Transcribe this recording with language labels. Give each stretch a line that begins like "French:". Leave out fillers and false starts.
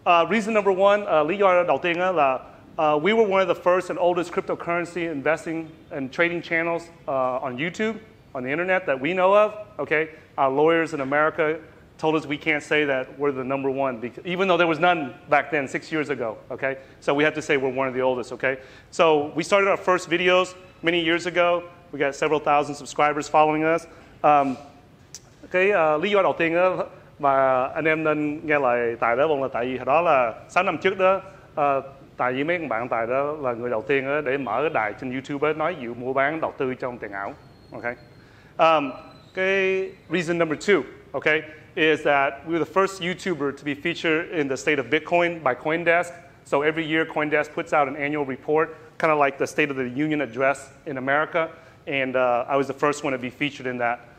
English: Reason number one,
Vietnamese: lý do đầu tiên á là
English: we were one of the first and oldest cryptocurrency investing and trading channels on YouTube, on the internet that we know of. Okay. Our lawyers in America told us we can't say that we're the number one, because, even though there was none back then, 6 years ago, okay? So we have to say we're one of the oldest, okay? So we started our first videos many years ago. We got several thousand subscribers following us.
Vietnamese: Lý do đầu tiên mà anh em nên nghe lại Tài đó là tại vì đó là 6 năm trước đó, tại vì mấy bạn Tài đó là người đầu tiên để mở cái đài trên YouTube nói dụ mua bán đầu tư trong tiền ảo, okay?
English: Okay, reason number two, okay, is that we were the first YouTuber to be featured in the State of Bitcoin by CoinDesk. So every year CoinDesk puts out an annual report, kind of like the State of the Union address in America, and I was the first one to be featured in that.